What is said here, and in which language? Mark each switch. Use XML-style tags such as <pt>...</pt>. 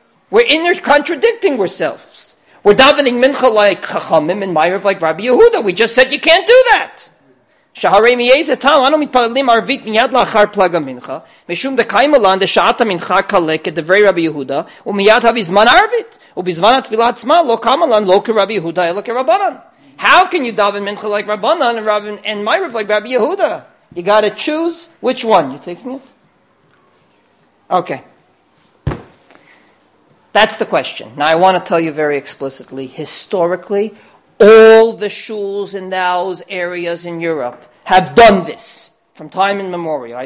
<en>We're inner contradicting ourselves. We're davening mincha like Chachamim and Ma'ariv like Rabbi Yehuda. We just said you can't do that.</en> <he>שהרי מאיזה טעם אנו מתפללים ערבית מיד לאחר פלג המנחה, משום דקיימה לן דשעת המנחה קלה כדברי רבי יהודה, ומיד הביזמן ערבית, ובזמן התפילה עצמה לא קיימה לן לא כרבי יהודה אלא כרבנן.</he> <en>How can you daven mincha like Rabbanan and Ma'ariv like Rabbi Yehuda? You got to choose which one. You taking it? Okay. That's the question. Now I want to tell you very explicitly, historically, all the shuls in those areas in Europe have done this from time immemorial.</en>